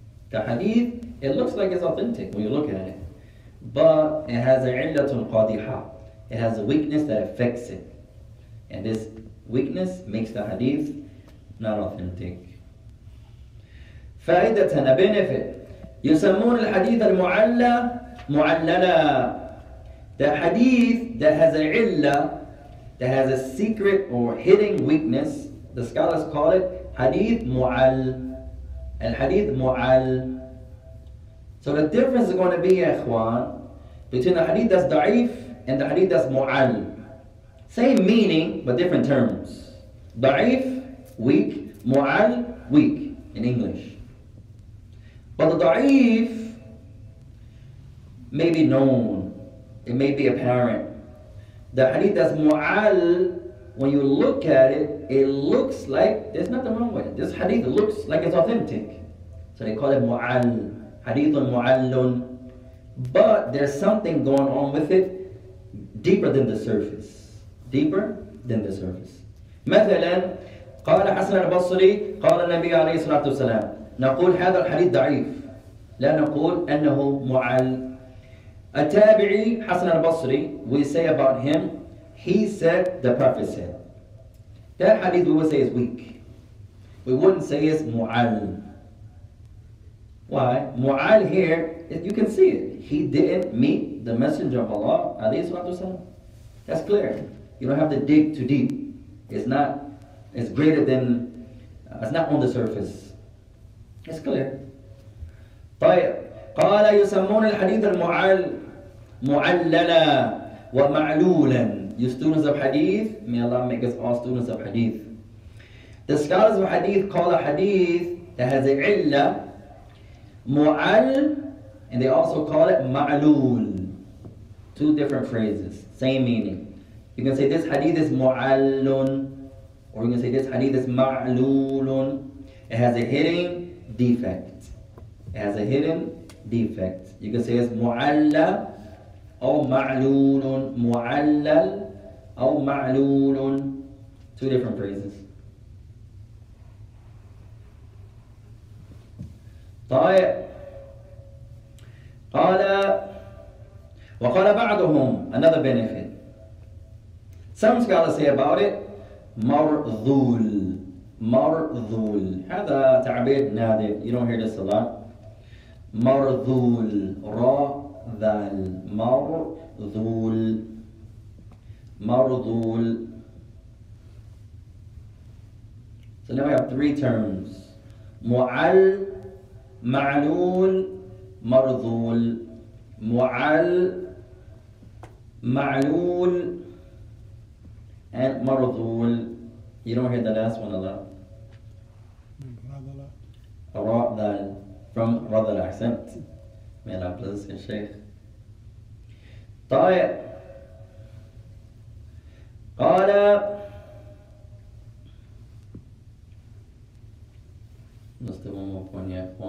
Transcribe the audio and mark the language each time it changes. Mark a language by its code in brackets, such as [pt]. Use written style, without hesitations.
[en] The hadith, it looks like it's authentic when you look at it, but it has a illatun qadiha. It has a weakness that affects it, and this weakness makes the hadith not authentic. فائدة and a benefit. [ar] يسمون الحديث المعلل معللا. [en] The hadith that has a illa, that has a secret or hidden weakness, the scholars call it hadith mu'al. Al hadith mu'al. So the difference is going to be, ikhwan, between the hadith that's da'if and the hadith that's mu'al. Same meaning, but different terms. Da'if, weak. Mu'al, weak in English. But the da'if may be known. It may be apparent. The hadith that's mu'al, when you look at it, it looks like there's nothing wrong with it. This hadith looks like it's authentic. So they call it mu'al. Hadithun mu'allun. But there's something going on with it deeper than the surface. Deeper than the surface. [ar] مثلاً قال حسن البصري قال النبي عليه الصلاة والسلام نقول هذا الحديث ضعيف لا نقول أنه مُعَلّ. التابعي حسن البصري, [en] we say about him, he said, the Prophet said. That hadith we would say is weak. We wouldn't say it's mu'al. Why? Mu'al here, you can see it. He didn't meet the Messenger of Allah, alayhi salatu wasalam. That's clear. You don't have to dig too deep. It's not on the surface. It's clear. [ar] طيب, قال يسمون الحديث المعل معللا ومعلولا. [en] You students of hadith, may Allah make us all students of hadith. The scholars of hadith call a hadith that has a illa mu'al, and they also call it ma'lul. Two different phrases, same meaning. You can say this hadith is mu'allun, or you can say this hadith is ma'lulun. It has a hidden defect. It has a hidden defect. You can say it's mu'alla or ma'lulun, mu'allal or ma'lulun. Two different phrases. [ar] طيب. قال وقال بعضهم, [en] another benefit. Some scholars say about it, مرذول. مرذول. [ar] هذا تعبير نادر. [en] You don't hear this a lot. [ar] مرذول. راذل. مرذول. مرذول. [en] So now we have three terms. [ar] مُعَلْ, مَعْلُول, مَرْذُول. مُعَلْ, مَعْلُول, and مَرْذُول. [en] You don't hear the last one a lot. [ar] رَضَل. [en] From رَضَل accent. May Allah bless you, Shaykh. [ar] طيب. [en] قال just one more point here.